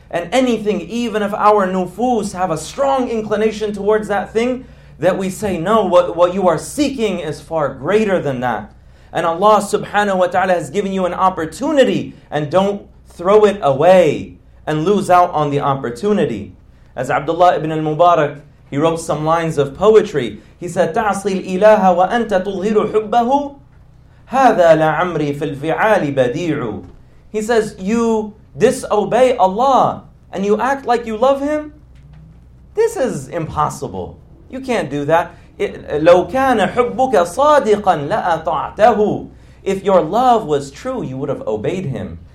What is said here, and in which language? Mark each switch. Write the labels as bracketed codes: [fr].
[en] And anything, even if our nufus have a strong inclination towards that thing, that we say, no, what you are seeking is far greater than that. And Allah subhanahu wa ta'ala has given you an opportunity, and don't throw it away and lose out on the opportunity. As Abdullah ibn al-Mubarak, he wrote some lines of poetry. He said, [ar] تَعْصِي الْإِلَهَ وَأَنْتَ تُظْهِرُ حُبَّهُ هَذَا لَعَمْرِي فِي الْفِعَالِ بَدِيعُ. [en] He says, you disobey Allah and you act like you love Him? This is impossible. You can't do that. [ar] لَوْ كَانَ حُبُّكَ صَادِقًا لَأَطَعْتَهُ. [en] If your love was true, you would have obeyed Him.